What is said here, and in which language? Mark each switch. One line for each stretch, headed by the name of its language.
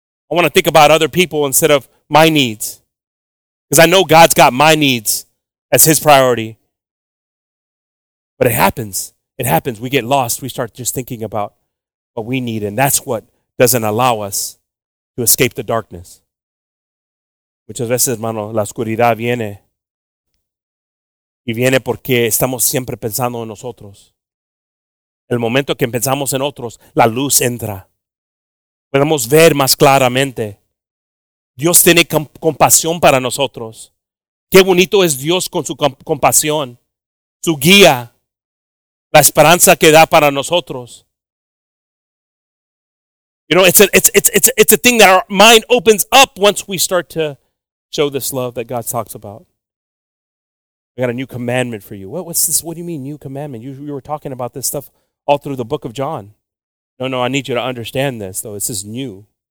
English: I want to think about other people instead of my needs. Because I know God's got my needs as his priority. But it happens. It happens. We get lost. We start just thinking about what we need. And that's what doesn't allow us to escape the darkness.
Spanish: Muchas veces, hermano, la oscuridad viene. Y viene porque estamos siempre pensando en nosotros. El momento que pensamos en otros, la luz entra. Podemos ver más claramente. Dios tiene compasión para nosotros. Qué bonito es Dios con su compasión, su guía, la esperanza que da para nosotros.
English: You know, it's a thing that our mind opens up once we start to show this love that God talks about. I got a new commandment for you. What's this? What do you mean, new commandment? You were talking about this stuff all through the book of John. No, I need you to understand this, though. This is new.